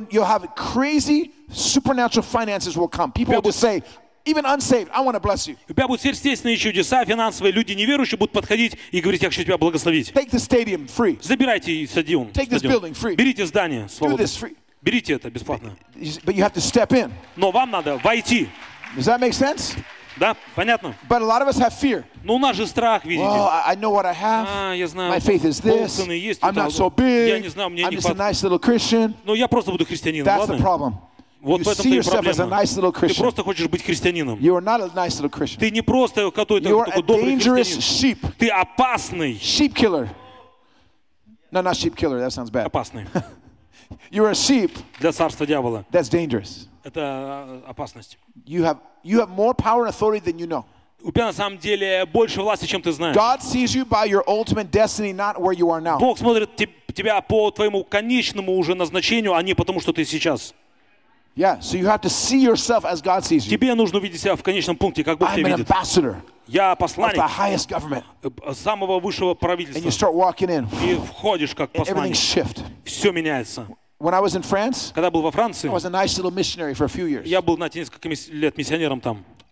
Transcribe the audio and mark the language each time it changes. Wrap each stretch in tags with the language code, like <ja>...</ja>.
<en>And you'll have crazy supernatural finances will come. People will say, even unsaved, I want to bless you.</en> <ru>У тебя будут сверхъестественные чудеса финансовые. Люди неверующие будут подходить и говорить, я хочу тебя благословить.</ru> <en>Take the stadium free.</en> <ru>Забирайте стадион.</ru> <en>Take this building free.</en> <ru>Берите здание свободно.</ru> <en>Do this free.</en> <ru>Берите это бесплатно.</ru> <en>But you have to step in.</en> <ru>Но вам надо войти.</ru> <en>Does that make sense?</en> <ru>Да, понятно.</ru> <en>But a lot of us have fear.</en> <ru>Но у нас же страх, видите.</ru> <en>Well, I know what I have.</en> <ru>Я знаю.</ru> <en>My faith is this. I'm not so big.</en> <ru>Я не знаю, мне</ru> <en>I'm</en> <ru>не</ru> <en>just a nice little Christian.</en> <ru>Но я просто буду христианином.</ru> <en>That's</en> <ru>ладно?</ru> <en>The problem.</en> <ru>Вот</ru> <en>you see yourself as a nice little Christian.</en> <ru>Ты просто хочешь быть христианином.</ru> <en>You are not a nice little Christian.</en> <ru>Ты не просто какой-то такой добрый</ru> <en>dangerous</en> <ru>христианин.</ru> <en>Sheep.</en> <ru>Ты опасный.</ru> <en>Sheep killer. No, not sheep killer. That sounds bad.</en> <ru>Опасный.</ru> <en>You're a sheep.</en> <ru>Для царства дьявола.</ru> <en>That's dangerous.</en> <ru>Это опасность.</ru> <en>You have more power and authority than you know.</en> <ru>У тебя на самом деле больше власти, чем ты знаешь.</ru> <en>God sees you by your ultimate destiny, not where you are now.</en> <ru>Бог смотрит тебя по твоему конечному уже назначению, а не потому, что ты сейчас.</ru> <en>Yeah, so you have to see yourself as God sees you.</en> <ru>Тебе нужно увидеть себя в конечном пункте, как Бог тебя видит.</ru> <en>I'm an ambassador.</en> <ru>Я посланник</ru> <en>of the highest government.</en> <ru>Самого высшего правительства.</ru> <en>And you start walking in.</en> <ru>И входишь как посланник.</ru> <en>Everything shift.</en> <ru>Все меняется.</ru> <en>When I was in France,</en> <ru>когда был во Франции,</ru> <en>I was a nice little missionary for a few years.</en> <ru>Я был на несколько лет миссионером там.</ru>